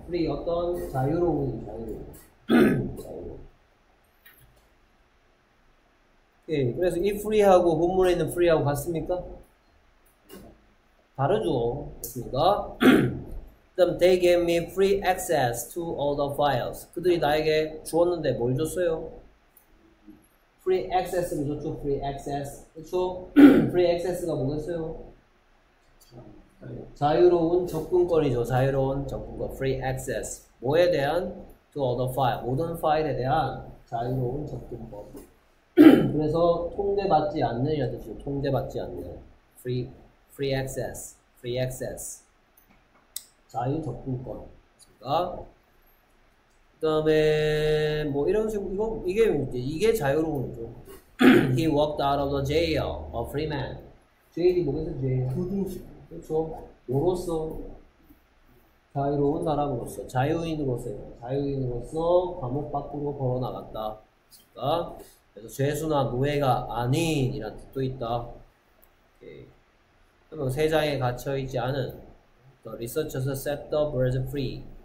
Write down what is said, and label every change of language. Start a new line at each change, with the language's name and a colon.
Korean: free 어떤 자유로움이 자유로움. 예, 그래서 이 free하고 본문에 있는 free하고 같습니까? 다르죠. 그니까.
English: 그 they gave me free access to all the files.
Korean: 그들이 나에게 주었는데 뭘 줬어요? free access는 좋죠. free access. 그쵸? free access가 뭐겠어요? 자유로운 접근권이죠. 자유로운 접근권. free access. 뭐에 대한? to all the files. 모든 파일에 대한 자유로운 접근권. 그래서 통제받지 않는 이라는 뜻이죠. 통제받지 않는
English: free access, free access,
Korean: 자유 접근권. 그러니까 그다음에 뭐 이런 식으로 이게 자유로운 거죠.
English: He walked out of the jail, a free man.
Korean: Jail이 뭐겠어요? Jail. 그렇죠. 뭐로서 자유로운 사람으로서 자유인으로서요. 자유인으로서 감옥 밖으로 걸어 나갔다. 그러니까. 그래서 죄수나 노예가 아닌 이란 뜻도 있다. 그러면 세상에 갇혀있지 않은
English: The researchers set the birds free.